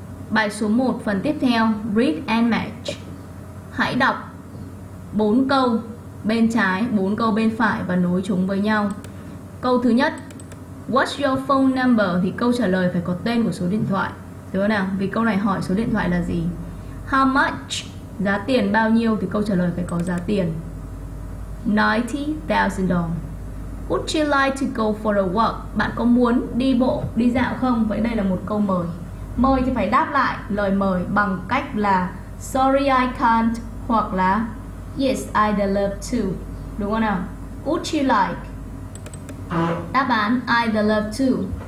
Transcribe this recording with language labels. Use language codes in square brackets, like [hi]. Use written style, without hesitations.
[vi] Bài số 1, phần tiếp theo, [en] read and match. [vi] Hãy đọc 4 câu bên trái, 4 câu bên phải và nối chúng với nhau. Câu thứ nhất, [en] what's your phone number? [vi] Thì câu trả lời phải có tên của số điện thoại. Được không nào? Vì câu này hỏi số điện thoại là gì? [en] How much? [vi] Giá tiền bao nhiêu? Thì câu trả lời phải có giá tiền. $90,000. [en] Would you like to go for a walk? [vi] Bạn có muốn đi bộ, đi dạo không? Vậy đây là một câu mời. Mời thì phải đáp lại lời mời bằng cách là [en] sorry I can't [vi] hoặc là [en] yes I'd love to. [vi] Đúng không nào? [en] Would you like? [vi] Đáp án [en] I'd love to.